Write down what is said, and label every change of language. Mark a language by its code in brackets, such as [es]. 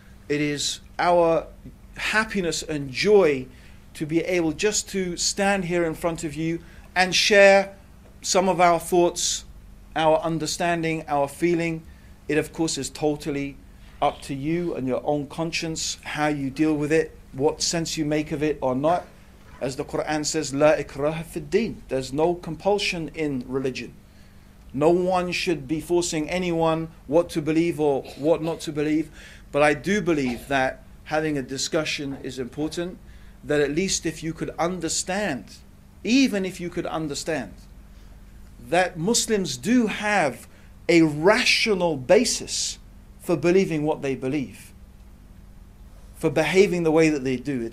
[en] It is our happiness and joy to be able just to stand here in front of you and share some of our thoughts, our understanding, our feeling. It, of course, is totally up to you and your own conscience, how you deal with it, what sense you make of it or not. As the Quran says, [ar] لا إكراه في الدين. [en] There's no compulsion in religion. No one should be forcing anyone what to believe or what not to believe. But I do believe that having a discussion is important, that at least if you could understand, even if you could understand, that Muslims do have a rational basis for believing what they believe, for behaving the way that they do.